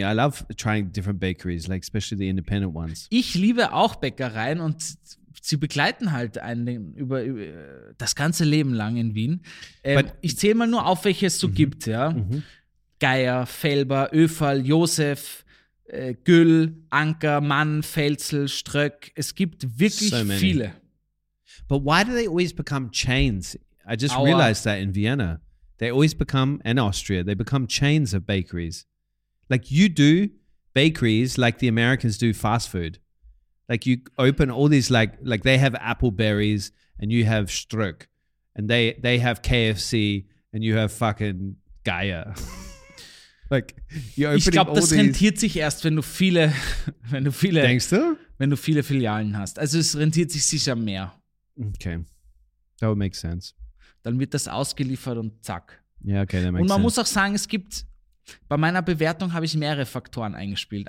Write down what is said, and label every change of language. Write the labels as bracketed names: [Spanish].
[English] I love trying different bakeries, like especially the independent ones. [German] Ich liebe auch Bäckereien und sie begleiten halt einen über das ganze Leben lang in Wien. Ich zähle mal nur auf, welche es so gibt, ja. Geier, Felber, Öferl, Josef, Güll, Anker, Mann, Felzel, Ströck. Es gibt wirklich so viele. [English] But why do they always become chains? I just realized that in Vienna. They always become, and Austria, they become chains of bakeries. Like you do bakeries like the Americans do fast food. Like you open all these, like they have Appleberries and you have Ströck. And they have KFC and you have fucking Geier. Like you're opening, [German] ich glaube, das [English] these. [German] Rentiert sich erst, wenn du viele, wenn du viele, denkst du? Wenn du viele Filialen hast. Also es rentiert sich sicher mehr. [English] Okay, that would make sense. [German] Dann wird das ausgeliefert und zack. Ja, [English] yeah, okay, [German] und man [English] sense. [German] Muss auch sagen, es gibt, bei meiner Bewertung habe ich mehrere Faktoren eingespielt.